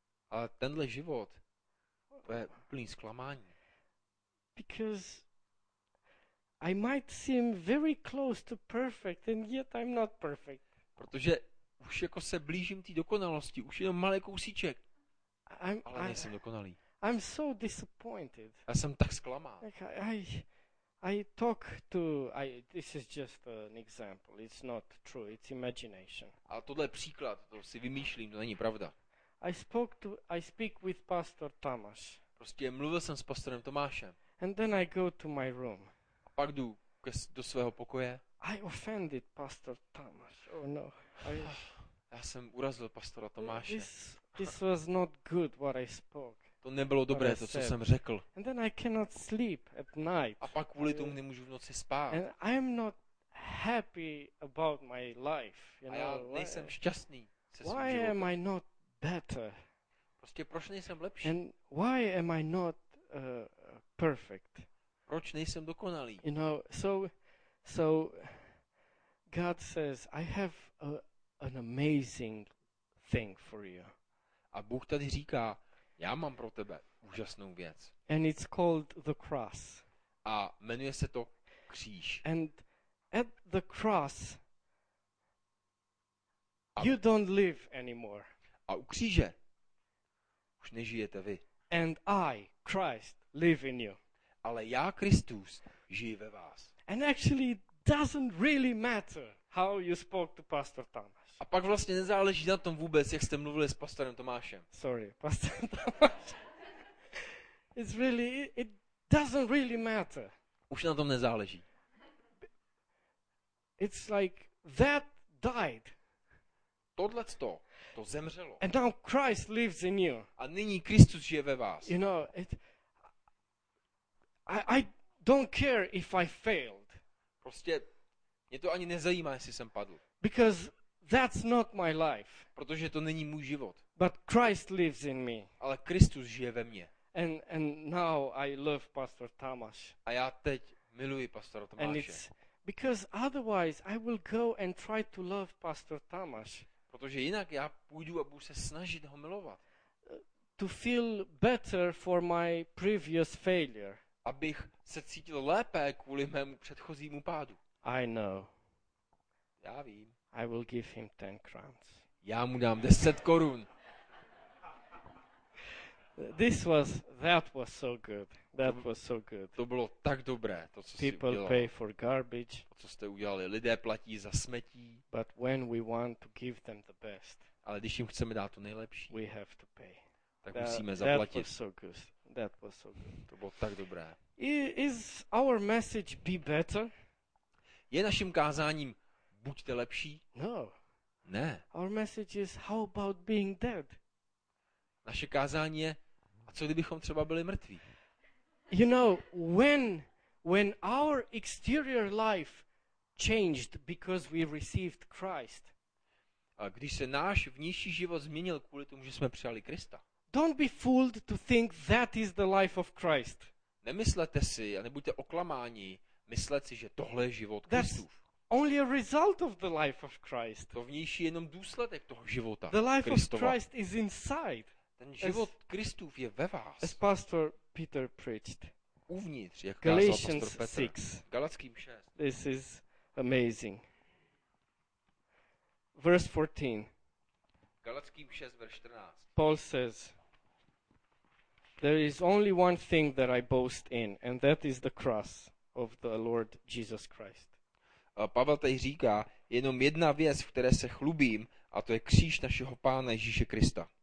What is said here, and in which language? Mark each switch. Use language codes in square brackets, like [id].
[cs] A tenhle život, to je plný zklamání. [en] Because I might seem very close to perfect and yet I'm not perfect. [cs] Protože už jako se blížím té dokonalosti, už jenom malý kousíček. Ale nejsem dokonalý. [en] I'm so disappointed. [cs] Já jsem tak zklamán. [en] Like I talk to this is just an example. It's not true. It's imagination. [cs] A tohle je příklad, to si vymýšlím, to není pravda. [en] I speak with Pastor Tomáš. [cs] Prostě mluvil jsem s pastorem Tomášem. [en] And then I go to my room. [cs] A pak jdu do svého pokoje. [en] I offended Pastor Tomáš. Oh no. [cs] Já jsem urazil pastora Tomáše. [en] This was not good what I spoke. [cs] To nebylo dobré, to, co jsem řekl. [en] And then I cannot sleep at night. [cs] A pak kvůli tomu nemůžu v noci spát. [en] And I am not happy about my life, you know? [cs] A já nejsem šťastný se svým [en] why [cs] životem. [en] Am I not better? [cs] Prostě proč nejsem lepší? [en] And why am I not perfect? [cs] Proč nejsem dokonalý? [en] You know, so God says, I have an amazing thing for you. [cs] A Bůh tady říká, já mám pro tebe úžasnou věc. [en] And it's called the cross. [cs] A jmenuje se to kříž. [en] And at the cross you don't live anymore. [cs] A u kříže už nežijete vy. [en] And I, Christ, live in you. [cs] Ale já, Kristus, žiju ve vás. [en] And actually it doesn't really matter how you spoke to Pastor Tomáš. [cs] A pak vlastně nezáleží na tom vůbec, jak jste mluvili s pastorem Tomášem. [en] Sorry, Pastor Tomáš. It's really, it doesn't really matter. [cs] Už na tom nezáleží. [en] It's like that died. [cs] Tohleto, to zemřelo. [en] And now Christ lives in you. [cs] A nyní Kristus žije ve vás. [en] You know, I don't care if I failed. [cs] Prostě mě to ani nezajímá, jestli jsem padl. [en] Because that's not my life. [cs] Protože to není můj život. [en] But Christ lives in me. [cs] Ale Kristus žije ve mně. [en] And now I love Pastor Tomáš. [cs] A já teď miluji pastora Tomáše. [en] And it's because otherwise I will go and try to love Pastor Tomáš. [cs] Protože jinak já půjdu a budu se snažit ho milovat. [en] To feel better for my previous failure. [cs] Abych se cítil lépe kvůli mému předchozímu pádu. [en] I know. [cs] Já vím. [en] I will give him 10 crowns. [cs] Já mu dám 10 korun. [en] That was so good. [cs] To bylo tak dobré, to co [en] people [cs] jsi udělal. [en] People pay for garbage. [cs] To, co jste udělali, lidé platí za smetí. [en] But when we want to give them the best. [cs] Ale když jim chceme dát to nejlepší. [en] We have to pay. [cs] Tak musíme zaplatit. [en] That was so good. [cs] To bylo tak dobré. [en] Is our message be better? [cs] Je naším kázáním buďte lepší? [en] No. [cs] Ne. [en] Our message is how about being dead? [cs] Naše kázání je, a co kdybychom třeba byli mrtví? [en] You know, when our exterior life changed because we received Christ. [cs] A když se náš vnější život změnil kvůli tomu, že jsme přijali Krista. [en] Don't be fooled to think that is the life of Christ. [cs] Nemyslete si a nebuďte oklamáni myslet si, že tohle je život Kristův. [en] Only a result of the life of Christ. [cs] To vnější je jenom důsledek toho života. [en] The life [cs] Kristova. [en] Of Christ is inside. [cs] Ten život Kristův je ve vás. [en] As Pastor Peter preached. [cs] Uvnitř, jak [en] Galatians [cs] kázal pastor Petr. [en] 6. [cs] Galatským 6. [en] This is amazing. Verse 14. [cs] Galatským 6, verš 14. [en] Paul says, there is only one thing that I boast in, and that is the cross of the Lord Jesus Christ. [cs] Pavel tady říká, jenom jedna věc, v které se chlubím, a to je kříž našeho Pána Ježíše Krista.